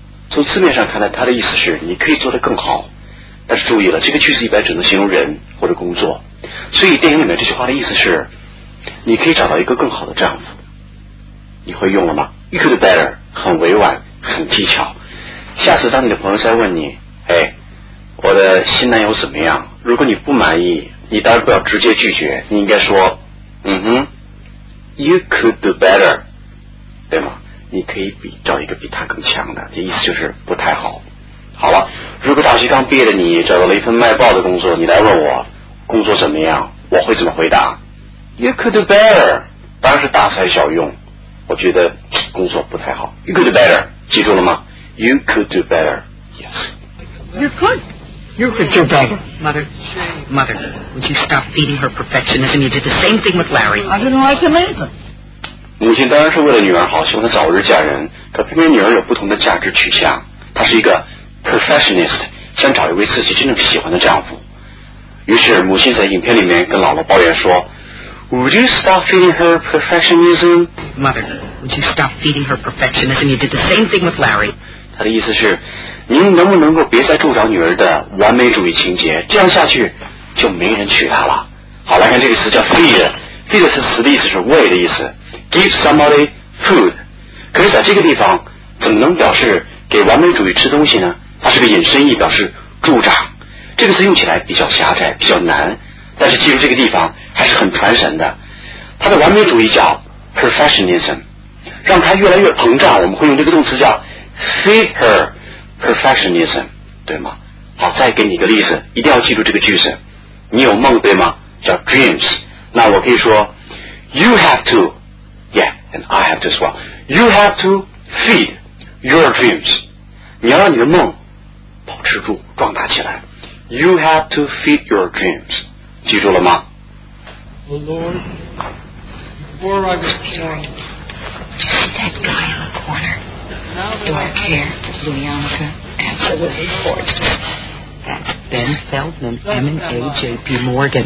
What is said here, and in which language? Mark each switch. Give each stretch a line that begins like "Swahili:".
Chinese: 从字面上看来，它的意思是你可以做得更好。但是注意了，这个句子一般只能形容人或者工作。所以电影里面这句话的意思是 你可以找到一个更好的丈夫。你会用了吗？
English: You could do better,
Chinese: 很委婉, 很技巧。下次当你的朋友再问你, 我的新男友怎么样? 如果你不满意, 你当然不要直接拒绝, 你应该说, 嗯哼,
English: You could do better,
Chinese: 对吗? 你可以找一个比他更强的, 意思就是不太好。好了, 如果大学刚毕业的你, 找到了一份卖报的工作, 你来问我, 工作怎么样? 我会怎么回答?
English: You could do better.
Chinese: 当然是大材小用, 我觉得工作不太好。
English: You could do better. 记住了吗?You could do better. Yes. You could do better. Mother, would you stop feeding her perfectionism? You did the same thing with Larry. I didn't like him either.
Chinese: 母亲当然是为了女儿好, 希望她早日嫁人, 可偏偏女儿有不同的价值取向, 她是一个 perfectionist, 想找一位自己真正喜欢的丈夫。于是母亲在影片里面跟姥姥抱怨说,
English: Would you stop feeding her perfectionism? Mother, would you stop feeding her perfectionism? You did the same thing with Larry.
Chinese: 他的意思是, 您能不能够别再助长女儿的完美主义情节，这样下去就没人娶她了。好，来看这个词叫 feed 是词的意思，是喂的意思，
English: give somebody food。
Chinese: 可是在这个地方怎么能表示给完美主义吃东西呢？它是个引申义，表示助长。这个词用起来比较狭窄，比较难，但是记住这个地方还是很传神的。它的完美主义叫 perfectionism， 让它越来越膨胀，我们会用这个动词叫
English: feed her perfectionism，
Chinese: 对吗？好，再给你一个例子，一定要记住这个句子。你有梦对吗？叫 dreams。
English: 那我可以说 You have to Yeah, and I have to as well. You have to feed your dreams.
Chinese: 你要让你的梦保持住，壮大起来。
English: You have to feed your dreams.
Chinese: 记住了吗？
English: The Lord, before I was born, see that guy in the corner? Dark hair, Louianca, absolutely gorgeous. That's Ben Feldman, M&A, J.P. Morgan.